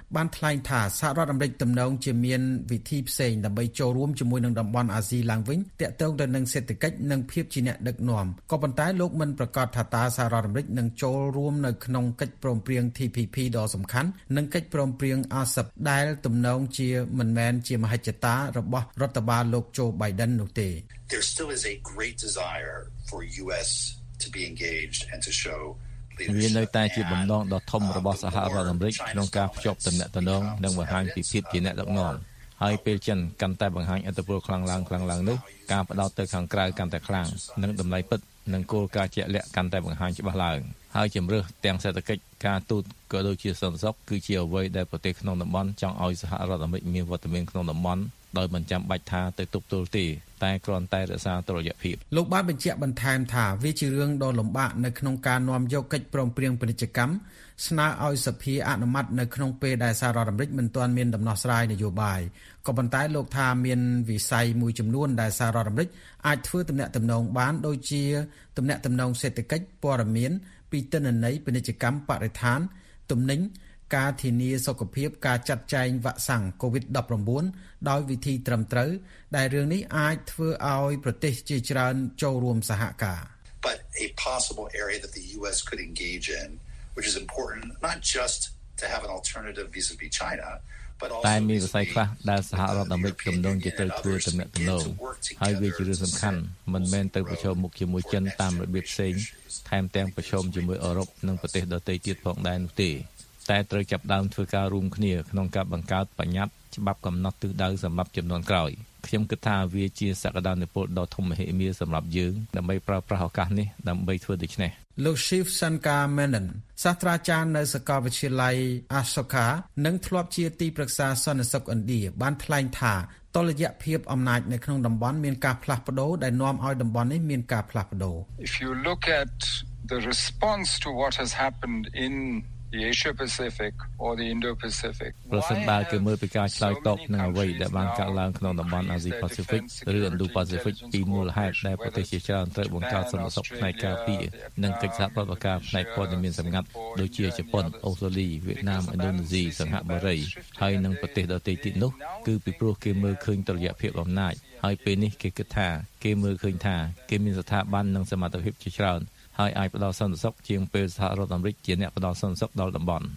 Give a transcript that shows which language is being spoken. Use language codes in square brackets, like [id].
[km] បានថ្លែងថាសហរដ្ឋអាមេរិកទំនងជាមានវិធីផ្សេងដើម្បីចូលរួមជាមួយនឹងតំបន់អាស៊ីឡើងវិញទាក់ទងទៅនឹងសេដ្ឋកិច្ចនិងភាពជាអ្នកដឹកនាំក៏ប៉ុន្តែលោកមិនប្រកាសថាតើសហរដ្ឋអាមេរិកនឹងចូលរួមនៅក្នុងកិច្ចព្រមព្រៀង TPP ដ៏សំខាន់និងកិច្ចព្រមព្រៀង ASEP ដែលទំនងជាមិនមែនជាមហិច្ឆតារបស់រដ្ឋបាលលោក Joe Biden នោះទេ [en] There still is a great desire for US to be engaged and to show [km] វានៅតែជាបំណងដ៏ធំរបស់សហរដ្ឋអាមេរិកក្នុងការភ្ជាប់ទំនាក់ទំនងនិងបង្ហាញពីភាពជាអ្នកដឹកនាំហើយពេលចិនកាន់តែបង្ហាញឥទ្ធិពលខ្លាំងឡើងនោះការផ្ដោតទៅខាងក្រៅកាន់តែខ្លាំងនិងតម្លៃពិតនិងគោលការណ៍ជាក់លាក់កាន់តែបង្ហាញច្បាស់ឡើងហើយជំរឿសទាំងសេដ្ឋកិច្ចការទូតក៏ដូចជាសន្តិសុខគឺជាអ្វីដែលប្រទេសក្នុងតំបន់ចង់ឲ្យសហរដ្ឋអាមេរិកមានវត្តមានក្នុងតំបន់ដោយមិនចាំបាច់ថាទៅទប់ទល់ទេតែគ្រាន់តែរក្សាតុល្យភាព លោកបានបញ្ជាក់បន្ថែមថាវាជារឿងដ៏លំបាកនៅក្នុងការនាំយកកិច្ចព្រមព្រៀងពាណិជ្ជកម្មស្នើឲ្យសភាអនុម័តនៅក្នុងពេលដែលសហរដ្ឋអាមេរិកមិនទាន់មានដំណោះស្រាយនយោបាយក៏ប៉ុន្តែលោកថាមានវិស័យមួយចំនួនដែលសហរដ្ឋអាមេរិកអាចធ្វើទំនាក់ទំនងបានដូចជាទំនាក់ទំនងសេដ្ឋកិច្ចព័ត៌មានពីទិន្នន័យពាណិជ្ជកម្មបរិស្ថានទំនិញ ការធានាសុខភាពការចាត់ចែងវ៉ាក់សាំង COVID-19 ដោយវិធីត្រឹមត្រូវដែលរឿងនេះអាចធ្វើឲ្យប្រទេសជាច្រើនចូលរួមសហការ [en] But a possible area that the US could engage in which is important not just to have an alternative vis-a-vis China [km] តែមានវិស័យខ្លះដែលសហរដ្ឋអាមេរិកទំនងជាទៅធ្វើទំនាក់ទំនងហើយវាជារឿងសំខាន់មិនមែនទៅប្រជុំមុខជាមួយចិនតាមរបៀបផ្សេងថែមទាំងប្រជុំជាមួយអឺរ៉ុបនិងប្រទេសដទៃទៀតផងដែរនោះទេតែត្រូវចាប់ដើមធ្វើការរួមគ្នាក្នុងការបង្កើតបញ្ញត្តិច្បាប់កំណត់ទិសដៅសម្រាប់ចំនួនក្រោយខ្ញុំគិតថាវាជាសក្តានុពលដ៏ធំមហិមាសម្រាប់យើងដើម្បីប្រើប្រាស់ឱកាសនេះដើម្បីធ្វើដូច្នេះ លោក Shiv Shankar Menon សាស្ត្រាចារ្យនៅសាកលវិទ្យាល័យ Asoka និងធ្លាប់ជាទីប្រឹក្សាសន្តិសុខឥណ្ឌាបានថ្លែងថាតុល្យភាពអំណាចនៅក្នុងតំបន់មានការផ្លាស់ប្ដូរដែលនាំឲ្យតំបន់នេះមានការផ្លាស់ប្ដូរ [en] If you look at the response to what has happened in Asia-Pacific or the Indo-Pacific. [km] ប្រសិនបើគេមើលពីការឆ្លើយតបនឹងអ្វីដែលបានកើតឡើងក្នុងតំបន់អាស៊ី Pacific ឬ Indo-Pacific ពីមូលហេតុដែលប្រទេសជាច្រើនត្រូវបង្កើតសន្តិសុខផ្នែកការពារនិងកិច្ចសហប្រតិបត្តិការផ្នែកព័ត៌មានសម្ងាត់ដូចជាជប៉ុនអូស្ត្រាលីវៀតណាមឥណ្ឌូនេស៊ីសហបារីហើយនិងប្រទេសដទៃទៀតនោះគឺពីព្រោះគេមើលឃើញតុល្យភាពអំណាចហើយពេលនេះគេគិតថាគេមើលឃើញថាគេមានស្ថាប័ននិងសមត្ថភាពជាច្រើនហើយអាចផ្ដល់សន្តិសុខជាងពេលសហរដ្ឋអាមេរិកជាអ្នកផ្ដល់សន្តិសុខដល់តំបន